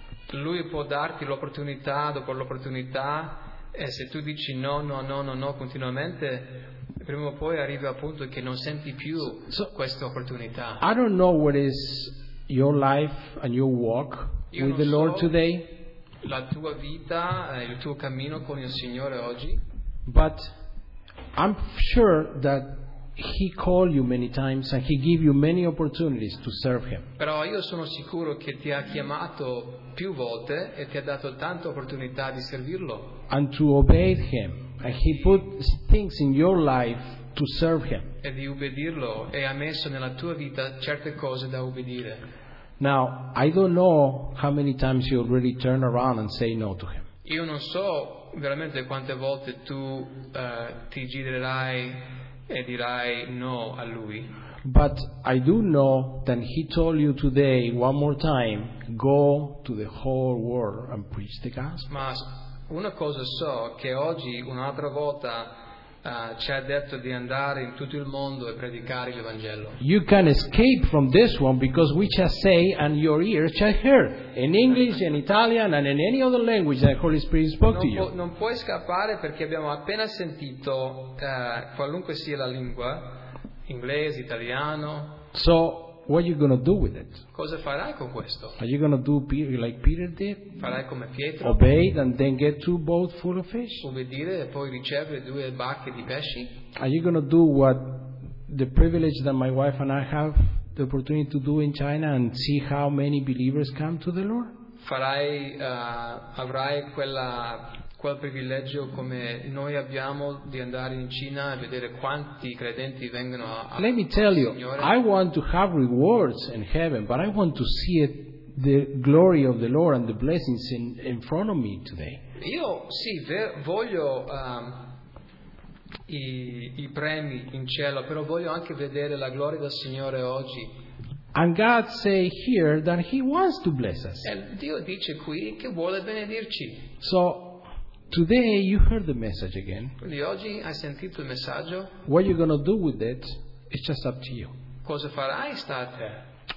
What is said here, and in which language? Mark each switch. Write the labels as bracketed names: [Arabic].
[Italian] Lui può darti l'opportunità dopo l'opportunità, e se tu dici no, no, no, no, no continuamente, prima o poi arriva appunto che non senti più questa opportunità. [English] I don't know what is your life and your walk with the Lord today. [Italian] La tua vita, il tuo cammino con il Signore oggi. [English] But I'm sure that He called you many times and He gave you many opportunities to serve Him. [Italian] Però io sono sicuro che ti ha chiamato più volte e ti ha dato tante opportunità di servirlo. [English] And to obey Him, and He put things in your life to serve Him. [Italian] E di ubbidirlo, e ha messo nella tua vita certe cose da ubbidire. [English] Now, I don't know how many times you already turn around and say no to him. [Italian] Io non so veramente quante volte tu ti girerai e dirai no a lui. [English] But I do know that he told you today one more time, go to the whole world and preach the gospel. [Italian] Ma una cosa so, che oggi un'altra volta ci ha detto di andare in tutto il mondo e predicare il Vangelo. [English] You can escape from this one because we just say and your ears shall hear in English, in Italian and in any other language that the Holy Spirit spoke to you. [Italian] Non puoi scappare perché abbiamo appena sentito qualunque sia la lingua, inglese, italiano. [English] So what are you going to do with it? [Italian] Cosa farai con questo? [English] Are you going to do like Peter did? [Italian] Farai come Pietro? [English] Obey and then get two boats full of fish? [Italian] Obbedire e poi ricevere due barche di pesci? [English] Are you going to do what the privilege that my wife and I have the opportunity to do in China and see how many believers come to the Lord? [Italian] Farai, avrai quel privilegio come noi abbiamo di andare in Cina e vedere quanti credenti vengono al Signore. [English] Let me tell you, I want to have rewards in heaven, but I want to see it, the glory of the Lord and the blessings in front of me today. [Italian] Io sì, voglio i premi in cielo, però voglio anche vedere la gloria del Signore oggi. [English] And God say here that He wants to bless us. [Italian] E Dio dice qui che vuole benedirci. [English] So today you heard the message again. [Italian] Quindi oggi hai sentito il messaggio. [English] What you're going to do with it is just up to you. [Italian] Cosa farai, sta a te.